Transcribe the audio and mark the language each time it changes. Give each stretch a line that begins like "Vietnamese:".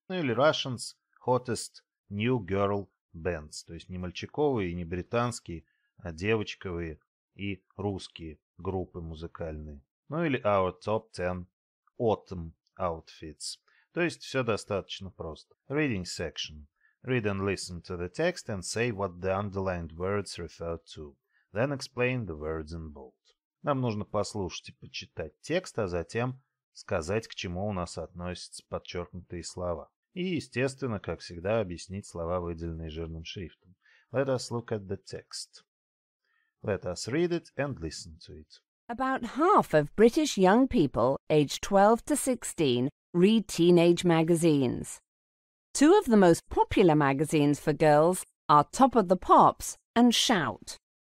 Russian: Ну или
English: «Russians hottest new girl bands».
Russian: То есть не мальчиковые и не британские, а девочковые и русские группы музыкальные. Ну или
English: «Our top 10 autumn outfits».
Russian: То есть все достаточно просто.
English: Reading section. Read and listen to the text and say what the underlined words refer to. Then explain the words in bold.
Russian: Нам нужно послушать и почитать текст, а затем сказать, к чему у нас относятся подчеркнутые слова. И, естественно, как всегда, объяснить слова, выделенные жирным шрифтом.
English: Let us look at the text. Let us read it and listen to it. About half of British young people aged 12 to 16 read teenage magazines. Two of the most popular magazines for girls are Top of the Pops and Shout.